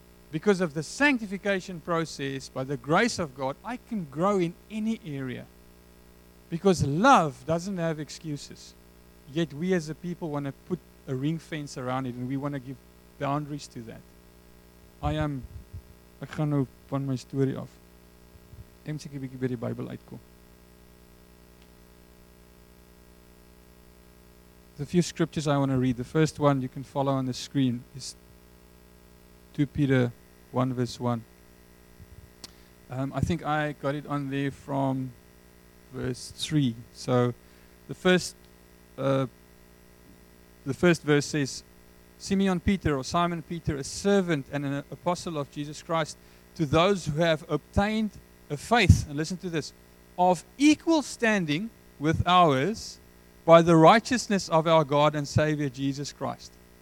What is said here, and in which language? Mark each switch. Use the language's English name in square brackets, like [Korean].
[English] Because of the sanctification process, by the grace of God, I can grow in any area. Because love doesn't have excuses. Yet we as a people want to put a ring fence around it, and we want to give boundaries to that. [Afrikaans] Ek gaan nou van my story af. Ek moet seker 'n bietjie by die Bybel uitkom. [English] There's a few scriptures I want to read. The first one you can follow on the screen is 2 Peter 1 verse 1. I think I got it on there from verse 3. So the first verse says, Simeon Peter, or Simon Peter, a servant and an apostle of Jesus Christ, to those who have obtained a faith, and listen to this, of equal standing with ours by the righteousness of our God and Savior Jesus Christ.